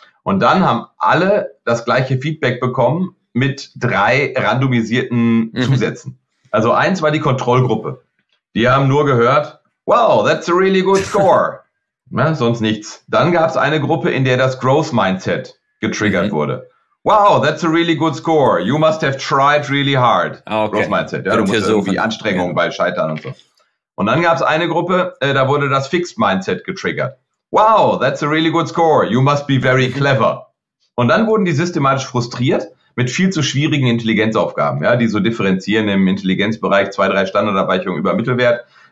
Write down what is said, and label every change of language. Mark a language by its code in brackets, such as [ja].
[de] Und dann haben alle das gleiche Feedback bekommen mit drei randomisierten Zusätzen. Also eins war die Kontrollgruppe. Die haben nur gehört, [en] wow, that's a really good score. [de] Na, sonst nichts. Dann gab es eine Gruppe, in der das Growth Mindset getriggert wurde. [en] Wow, that's a really good score. You must have tried really hard. Growth Mindset. [de] Ja, du musst irgendwie Anstrengungen bei Scheitern und so. Und dann gab es eine Gruppe, da wurde das Fixed Mindset getriggert. [en] Wow, that's a really good score. You must be very clever. [de] Und dann wurden die systematisch frustriert, mit viel zu schwierigen Intelligenzaufgaben, ja, die so differenzieren im Intelligenzbereich 2-3 Standardabweichungen über Mittelwert.